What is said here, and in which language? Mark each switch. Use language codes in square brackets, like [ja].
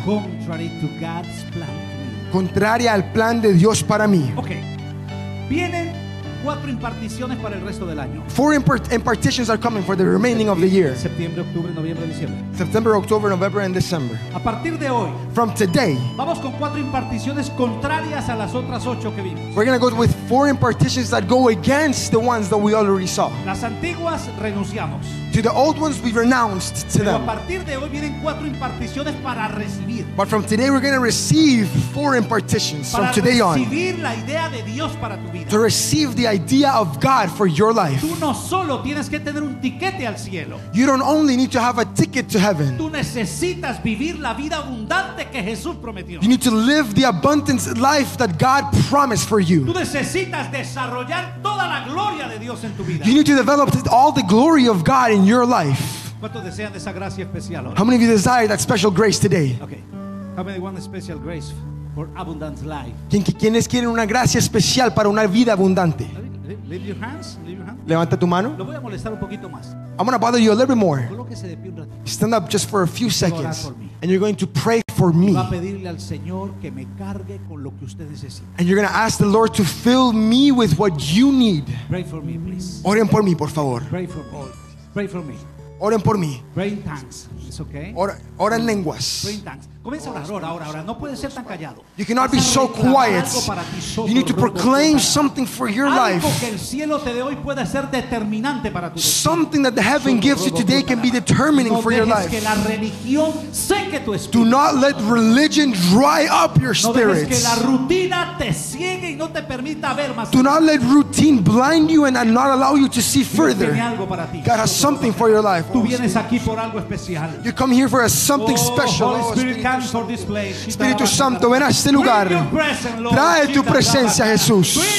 [en] Contrary to God's plan to me. [es] Contraria al plan de Dios para mí. Okay. Vienen 4 imparticiones para el resto del año. [en] 4 impartitions are coming for the remaining of the year. [es] Septiembre, octubre, noviembre, diciembre. [en] September, October, November and December. [es] A partir de hoy. [en] From today. [es] Vamos con 4 imparticiones contrarias a las otras 8 que vimos. [en] We're going to go with 4 impartitions that go against the ones that we already saw. [es] Las antiguas renunciamos. [en] To the old ones we renounced to them. [es] A partir de hoy vienen 4 imparticiones para recibir. [en] But from today we're going to receive 4 impartitions [es] para [en] from today on. [es] Recibir la idea de Dios para tu vida. [en] To receive the idea of God for your life. [es] Tú no solo tienes que tener un tiquete al cielo. [en] You don't only need to have a ticket to heaven. [es] Tú necesitas vivir la vida abundante que Jesús prometió. [en] You need to live the abundant life that God promised for you. [es] Tú necesitas desarrollar toda la gloria de Dios en tu vida. [en] You need to develop all the glory of God in your life. [es] ¿Cuántos desean esa gracia especial hoy? [en] How many of you desire that special grace today? Okay. How many want a special grace for abundant life? [es] ¿Quiénes quieren una gracia especial para una vida abundante? [en] Leave your hands. [es] Levanta tu mano. Lo voy a molestar un poquito más. [en] I'm going to bother you a little bit more. [es] Colóquese de pie un ratito. [en] Stand up just for a few seconds. And you're going to pray for me. [es] Va a pedirle al Señor que me cargue con lo que usted necesita. [en] And you're going to ask the Lord to fill me with what you need. Pray for me, please. [es] Oren por mí, por favor. [en] Pray for me. [es] Oren por mí. [en] Pray in tongues. It's okay. [es] Oren lenguas. [en] Pray in tongues. [es] Comienza a orar. Ora. No puedes ser tan callado. [en] You cannot be so quiet. You need to proclaim something for your life. [es] Algo que el cielo te dé hoy puede ser determinante para tu vida. [en] Something that the heaven gives you today can be determining for your life. [es] No dejes que la religión seque tu espíritu. [en] Do not let religion dry up your spirit. [es] No dejes que la rutina te ciegue y no te permita ver más. [en] Do not let routine blind you and not allow you to see further. [es] Tiene algo para ti. [en] God has something for your life. [es] Tú vienes aquí por algo especial. [en] You come here for something special. [es] Espíritu Santo, ven a este lugar. Trae tu presencia, Jesús.